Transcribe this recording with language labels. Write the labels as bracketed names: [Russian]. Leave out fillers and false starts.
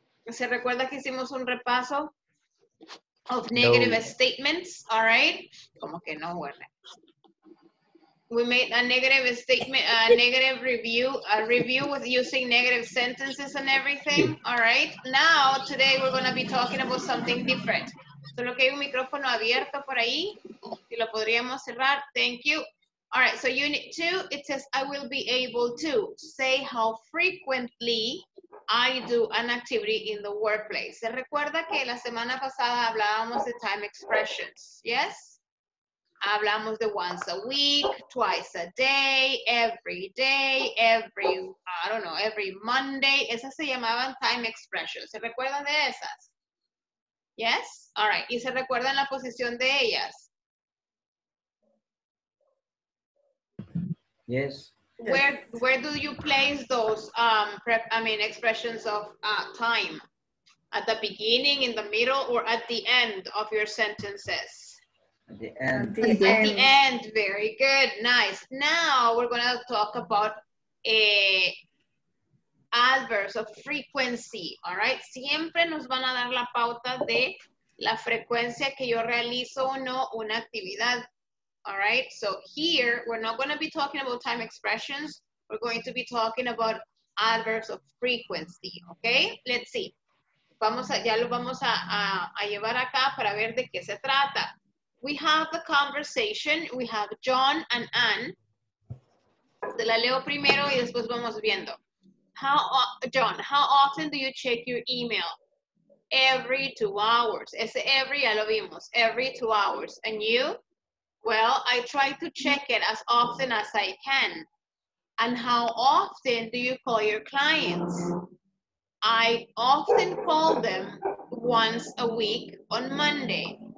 [Spanish] ¿Se recuerda que hicimos un repaso [English] of negative statements? All right. [Spanish] Como que no, ¿verdad? [English] We made a negative statement, a negative review, a review with using negative sentences and everything. All right. Now, today, we're going to be talking about something different. [Spanish] Solo que hay un micrófono abierto por ahí. Si lo podríamos cerrar. [English] Thank you. All right. So, unit 2, it says, I will be able to say how frequently I do an activity in the workplace. [Spanish] ¿Se recuerda que la semana pasada hablábamos de time expressions? [English] Yes? [Spanish] Hablamos de [English] once a week, twice a day, every, I don't know, every Monday. [Spanish] Esas se llamaban [English] time expressions. [Spanish] ¿Se recuerdan de esas? [English] Yes? All right. [Spanish] ¿Y se recuerdan la posición de ellas? [English] Yes. Where do you place those expressions of time? At the beginning, in the middle, or at the end of your sentences? At the end. Very good. Nice. Now we're going to talk about adverbs of frequency. All right. [Spanish] Siempre nos van a dar la pauta de la frecuencia que yo realizo o no una actividad. [English] All right. So here we're not going to be talking about time expressions. We're going to be talking about adverbs of frequency. Okay. Let's see. [Spanish] Ya lo vamos a llevar acá para ver de qué se trata. [English] We have the conversation. We have John and Ann. [Spanish] Te la leo primero y después vamos viendo. [English] John, how often do you check your email? Every 2 hours. [Spanish] Ese every ya lo vimos. [English] Every 2 hours. And you? Well, I try to check it as often as I can. And how often do you call your clients? I often call them once a week on Monday.